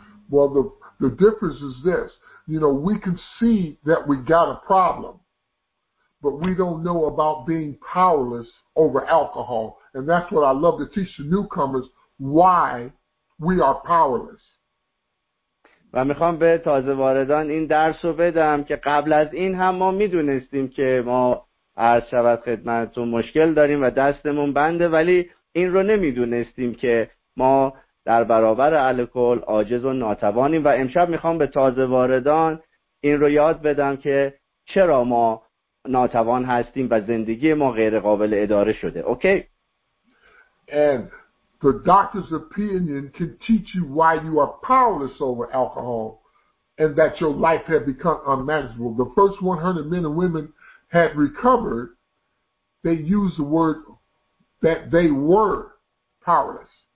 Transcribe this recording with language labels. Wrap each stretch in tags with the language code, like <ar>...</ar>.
<en>Well, the difference is this. You know, we can see that we got a problem, but we don't know about being powerless over alcohol. And that's what I love to teach the newcomers, why we are powerless.</en> <fa>و میخوام به تازه واردان این درس رو بدم که قبل از این هم ما میدونستیم که ما عرض شود خدمتون مشکل داریم و دستمون بنده، ولی این رو نمیدونستیم که ما در برابر الکل عاجز و ناتوانیم. و امشب میخوام به تازه واردان این رو یاد بدم که چرا ما ناتوان هستیم و زندگی ما غیر قابل اداره شده.</fa> <en>Okay? And the doctor's opinion can teach you why you are powerless over alcohol and that your life had become unmanageable. The first 100 men and women had recovered, they used the word that they were powerless.</en>